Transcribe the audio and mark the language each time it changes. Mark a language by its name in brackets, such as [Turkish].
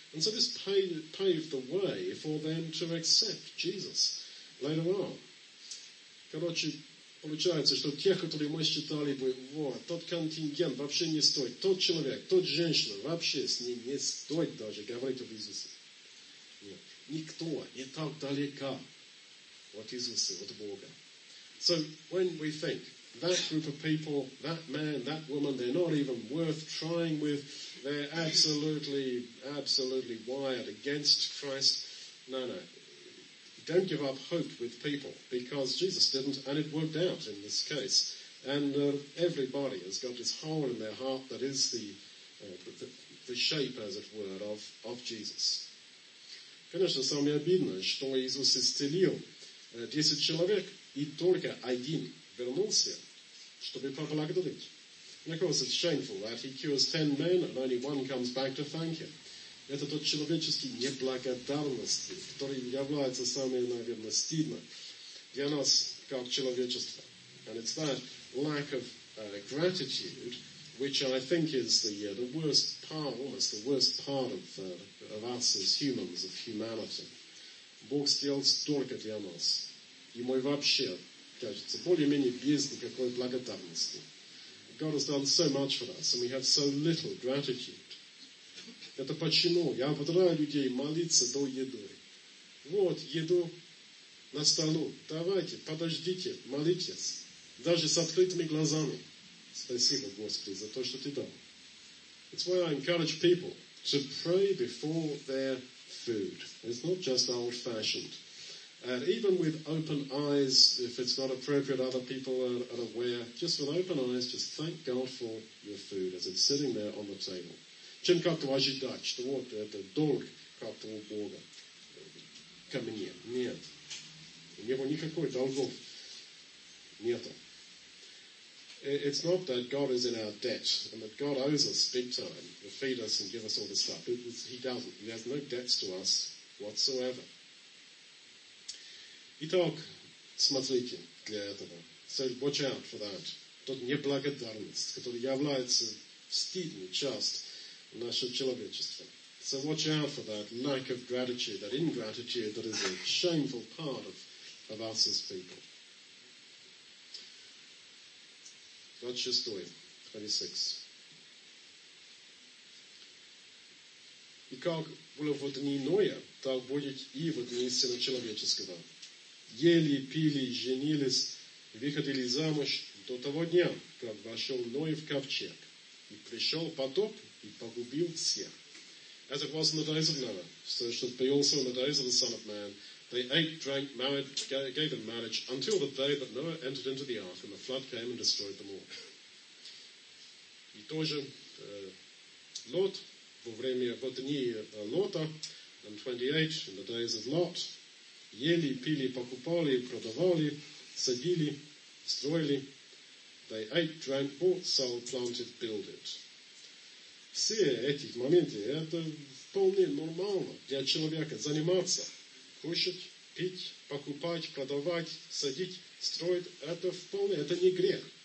[English] And so this paved the way for them to accept Jesus later on. [Russian] Короче, получается, что те, которые мы считали бы, вот, тот контингент вообще не стоит, тот человек, тот женщина, вообще с ним не стоит даже говорить об Иисусе. Нет, никто не так далеко от Иисуса, от Бога. [English] So, when we think, that group of people, that man, that woman, they're not even worth trying with. They're absolutely, absolutely wired against Christ. No, no. Don't give up hope with people, because Jesus didn't, and it worked out in this case. And everybody has got this hole in their heart that is the shape, as it were, of Jesus. [Russian] Конечно, самое обидное, что Иисус исцелил 10 человек, и только один вернулся, чтобы поблагодарить. [English] And of course, it's shameful that he cures 10 men and only one comes back to thank him. [Russian] Это тот человеческий неблагодарности, который является самым, наверное, стыдным для нас как человечества. [English] And it's that lack of gratitude, which I think is the worst part of us as humans, of humanity. [Russian] Бог сделал столько для нас, и мы вообще кажется, более-менее без никакой благодарности. [English] God has done so much for us, and we have so little gratitude. [Russian] Это почему я ободряю людей молиться до еды. Вот, еду на столу. Давайте, подождите, молитесь. Даже с открытыми глазами. Спасибо, Господи, за то, что ты дал. [English] It's why I encourage people to pray before their food. It's not just old-fashioned. And even with open eyes, if it's not appropriate, other people are aware. Just with open eyes, just thank God for your food as it's sitting there on the table. [Russian] Чем как-то ожидать, что вот это долг как-то у Бога ко мне? Нет. У него никакой долгов нету. [English] It's not that God is in our debt and that God owes us big time to feed us and give us all this stuff. He doesn't. He has no debts to us whatsoever. [Russian] Итак, смотрите для этого. [English] So watch out for that. [Russian] Тот неблагодарность, который является стыдной частью нашего человечества. [English] So watch out for that lack of gratitude, that ingratitude that is a shameful part of us as people. [Russian] 26. И как было в дни Ноя, так будет и в дни Сына Человеческого. Ели, пили, женились, выходили замуж до того дня, как вошел Ной в ковчег, и пришел потоп и погубил всех. [English] As it was in the days of Noah, so should be also in the days of the Son of Man. They ate, drank, married, gave in marriage, until the day that Noah entered into the ark, and the flood came and destroyed them all. [Russian] И тоже Лот, во время дни Лота, [English] and 28, in the days of Lot, [Russian] ели, пили, покупали, продавали, садили, строили. [English] They ate, drank, bought, sold, planted, built it. [Russian] все эти моменты, это вполне нормально для человека заниматься. Кушать, пить, покупать, продавать, садить, строить, это вполне, это не грех.